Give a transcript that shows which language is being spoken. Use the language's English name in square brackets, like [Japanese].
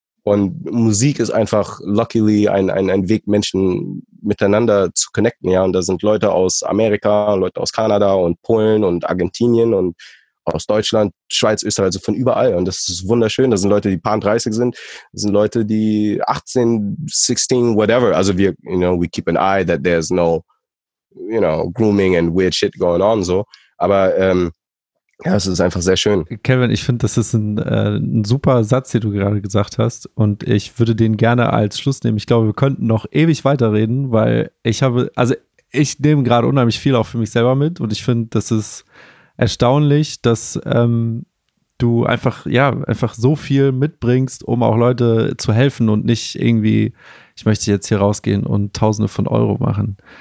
[German] Und Musik ist einfach luckily ein Weg, Menschen miteinander zu connecten. Ja, und da sind Leute aus Amerika, Leute aus Kanada und Polen und Argentinien und aus Deutschland, Schweiz, Österreich, also von überall. Und das ist wunderschön. Das sind Leute, die paar 30 sind. Das sind Leute, die 18, 16, whatever. [English] Also wir, you know, we keep an eye that there's no, you know, grooming and weird shit going on. [German] So. Aber ja, es ist einfach sehr schön. Kevin, ich finde, das ist ein super Satz, den du gerade gesagt hast. Und ich würde den gerne als Schluss nehmen. Ich glaube, wir könnten noch ewig weiterreden, weil ich habe, also ich nehme gerade unheimlich viel auch für mich selber mit. Und ich finde, das ist erstaunlich, dass du einfach, ja, einfach so viel mitbringst, um auch Leute zu helfen und nicht irgendwie, ich möchte jetzt hier rausgehen und Tausende von Euro machen.